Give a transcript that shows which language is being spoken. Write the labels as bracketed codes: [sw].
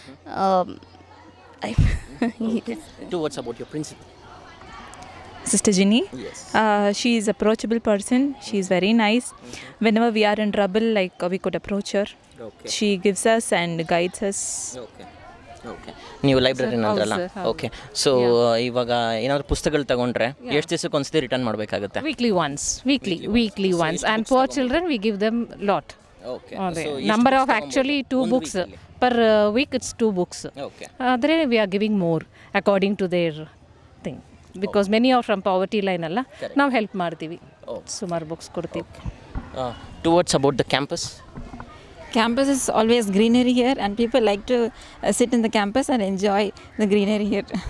[en] Mm-hmm. Okay. Two words about your principal. Sister Ginny? Yes. She is an approachable person. She is very nice. Mm-hmm. Whenever we are in trouble, like we could approach her. Okay. She gives us and guides us. [kn] Okay. Okay, ನೀವು ಲೈಬ್ರರಿನ ಅಂದ್ರಲ್ಲ. Okay, so ಇವಾಗ ಏನಾದರೂ ಪುಸ್ತಕಗಳು ತಗೊಂಡ್ರೆ ಎಷ್ಟು ದಿವಸಕ್ಕೆ ಒಂದ್ಸತಿ return ಮಾಡಬೇಕಾಗುತ್ತೆ? [en] Weekly once and for children we give them lot. Okay, number of actually 2 books per week, it's 2 books. Okay, ಆದರೆ we are giving more according to their thing, because many are from poverty line [kn] ಅಲ್ಲ, ನಾವು help ಮಾಡ್ತೀವಿ, ಸುಮಾರು books ಕೊಡ್ತೀವಿ. [en] Two words about the campus. Campus is always greenery here and people like to sit in the campus and enjoy the greenery here.